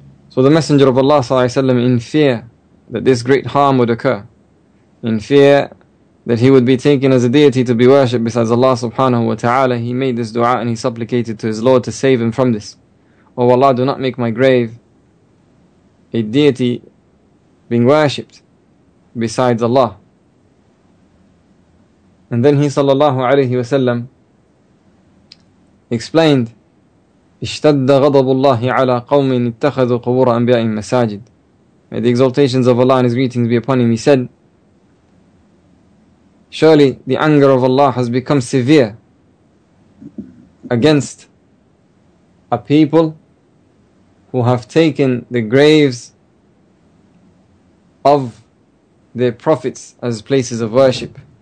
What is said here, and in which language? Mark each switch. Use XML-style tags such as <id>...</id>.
<en>So the Messenger of Allah sallallahu alayhi wasallam, in fear that this great harm would occur, in fear that he would be taken as a deity to be worshipped besides Allah subhanahu wa ta'ala, he made this dua and he supplicated to his Lord to save him from this. Oh Allah, do not make my grave a deity being worshipped besides Allah. And then he sallallahu alayhi wa sallam explained,</en> <ar>اشتد غضب الله على قوم اتخذوا قبور أنبياء مساجد.</ar> <en>May the exaltations of Allah and His greetings be upon him. He said, surely the anger of Allah has become severe against a people who have taken the graves of their prophets as places of worship.</en>